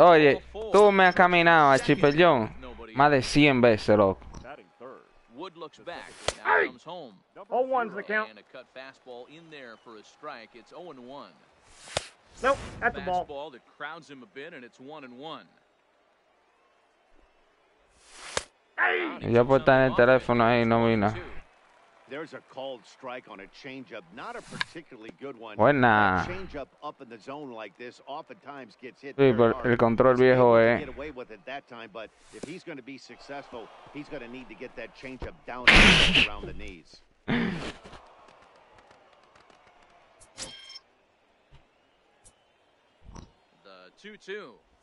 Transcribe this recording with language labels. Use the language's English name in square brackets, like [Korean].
[Spanish] Oye, tú me has caminado a Chipper Jones más de 100 veces, loco. [English] Wood looks back. Hey! All one's the count. And a cut fastball in there for a strike. It's 0-1. Nope, that's a ball. Fastball that crowds him a bit, and it's 1-1. Hey! [Spanish] Yo puedo estar en el teléfono ahí, no vino. [English] There's a called strike on a changeup, not a particularly good one. [Spanish] Buena. [English] A changeup up in the zone like this oftentimes gets hit. [Spanish] Sí, pero el control viejo, [English] Get away with it that time, but if he's going to be successful, he's going to need to get that changeup down around the knees. The 2-2.